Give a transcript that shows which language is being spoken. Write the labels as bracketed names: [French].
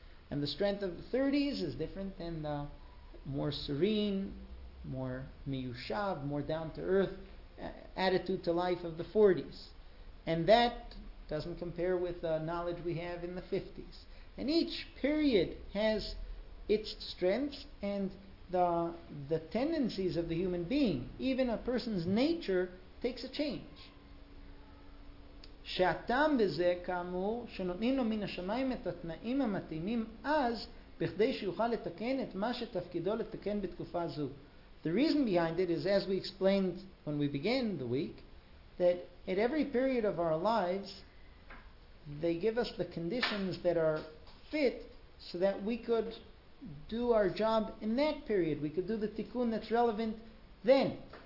[English] And the strength of the 30s is different than the more serene, more miyushav, more down-to-earth attitude to life of the 40s. And that doesn't compare with the knowledge we have in the 50s. And each period has its strengths and the tendencies of the human being. Even a person's nature takes a change. [Hebrew] שהטעם בזה כאמור שנותנים לו מן השמיים את התנאים המתאימים אז בכדי שיוכל לתקן את מה שתפקידו לתקן בתקופה זו. [English] The reason behind it is, as we explained when we began the week, that at every period of our lives, they give us the conditions that are fit so that we could do our job in that period. We could do the tikkun that's relevant then.